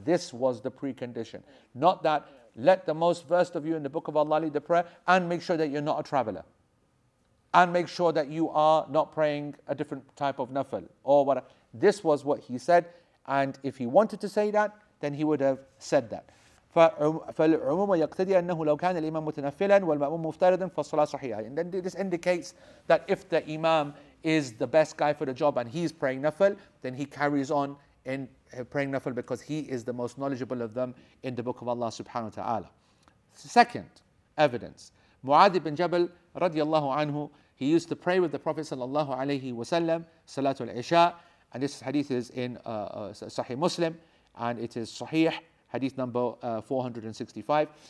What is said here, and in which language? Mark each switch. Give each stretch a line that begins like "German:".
English: This was the precondition. Not that, let the most versed of you in the book of Allah lead the prayer, and make sure that you're not a traveler. And make sure that you are not praying a different type of nafil or whatever. This was what he said. And if he wanted to say that, then he would have said that.
Arabic: فالعموم يقتدي أنه لو كان الإمام متنفلا والمأموم مفتردا فالصلاة صحيحة.
English: And then this indicates that if the imam is the best guy for the job and he's praying nafil, then he carries on in praying nafil because he is the most knowledgeable of them in the book of Allah subhanahu wa ta'ala. Second evidence, Mu'adh ibn Jabal radiallahu anhu, he used to pray with the Prophet sallallahu alayhi wa sallam salatul isha, and this hadith is in Sahih Muslim, and it is sahih, hadith number 465.